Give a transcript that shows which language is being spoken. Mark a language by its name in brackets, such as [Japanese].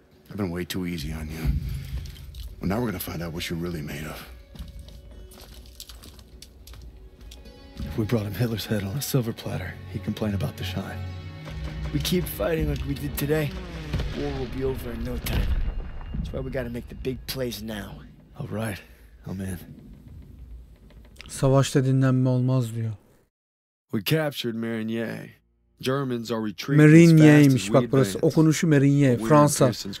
[English] I've been way too easy on you. Well, now we're gonna find out what you're really made of. If we brought him Hitler's head on a silver platter, he'd complain about the shine. We keep fighting like we did today, war will be over in no time. That's why we gotta make the big plays now. All right, I'm in. [Turkish] Savaşta dinlenme olmaz diyor. [English] We captured Marigny. Germans are retreating fast. [Turkish] Bak burası okunuşu Marigny, Fransa.